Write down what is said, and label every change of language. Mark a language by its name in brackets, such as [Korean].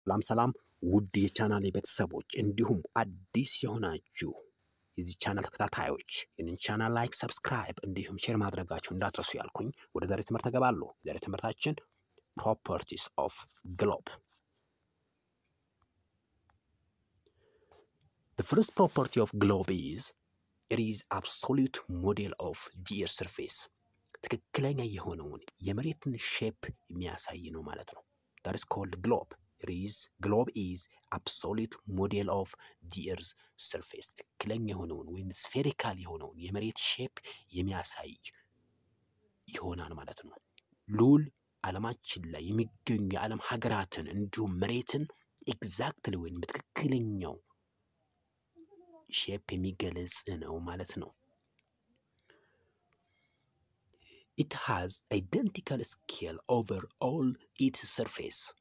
[Amharic] ሰላም ሰላም ውድ የቻናል የቤተሰቦች እንዲሁም አዲስ የሆናችሁ የዚህ ቻናል ተከታታዮች ይህንን ቻናል ላይክ ሰብስክራይብ እንዲሁም ሼር ማድረጋችሁ እንዳትረሱ ያልኩኝ ወደ ዛሬ ትምህርት ተገባለሁ። ዛሬ ትምህርታችን [English] Properties of Globe. The first property of Globe is it is absolute model of the Earth's surface. [Amharic] ትክክለኛ የሆነውን የመሬትን ሼፕ የሚያሳይ ነው ማለት ነው። [English] That is called Globe. Globe is absolute model of the Earth's surface. [Amharic] ትክክለኛ የሆነውን ወይም spherical የሆነውን የመሬት ሼፕ የሚያሳይ ይሆናል ማለት ነው። ሉል ዓለማችን ላይ የሚገኙ የዓለም ሀገራትን እንዲሁም መሬትን ኤግዛክትሊ ወይም ትክክለኛው ሼፕ የሚገለጽ ነው ማለት ነው። [English] It has identical scale over all its surface.